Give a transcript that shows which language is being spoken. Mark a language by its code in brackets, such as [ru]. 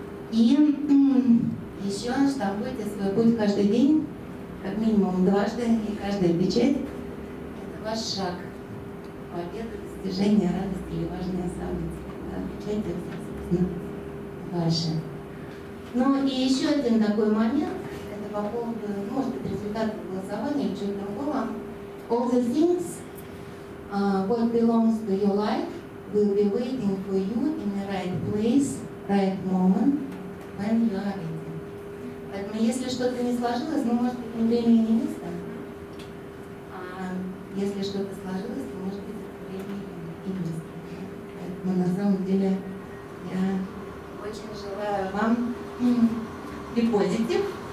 [ru] И еще штампуйте свой путь каждый день, как минимум дважды, и каждая печать – это ваш шаг. Победа, достижение, радость или важное событие. Да, печать – это, собственно, ваше. Ну и еще один такой момент – это по поводу, может быть, результата голосования или чего-то другого. [en] All the things, what belongs to your life, will be waiting for you in the right place, right moment. [ru] Поэтому, если что-то не сложилось, ну, может быть, не время и не место. А если что-то сложилось, то, может быть, время и место. Поэтому, на самом деле, я очень желаю вам и позитив.